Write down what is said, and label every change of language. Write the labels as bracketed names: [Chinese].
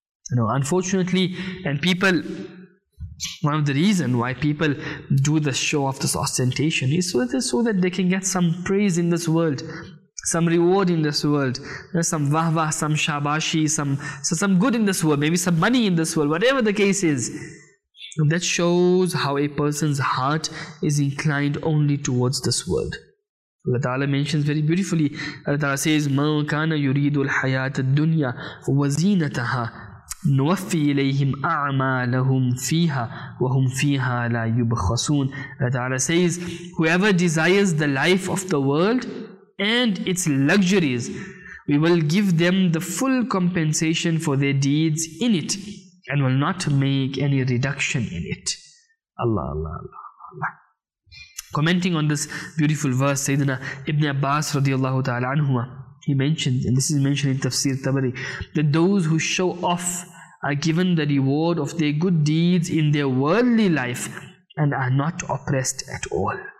[English] You know, unfortunately, and people, one of the reason why people do the show of this ostentation is so that they can get some praise in this world, some reward in this world, you know, some wah-wah, some shabashi, some good in this world, maybe some money in this world, whatever the case is. And that shows how a person's heart is inclined only towards this world. Allah Ta'ala mentions very beautifully, Allah Ta'ala says, [Arabic] مَا كَانَ يُرِيدُ الْحَيَاةَ الدُّنْيَا وَزِينَتَهَا نوفي إليهم أعمالهم فيها وهم فيها لا يبخسون. [English] Allah Ta'ala says, whoever desires the life of the world and its luxuries, we will give them the full compensation for their deeds in it and will not make any reduction in it. Allah, Allah, Allah, Allah. Commenting on this beautiful verse, Sayyidina Ibn Abbas radiallahu ta'ala anhuma, he mentioned, and this is mentioned in Tafsir Tabari, that those who show off are given the reward of their good deeds in their worldly life and are not oppressed at all.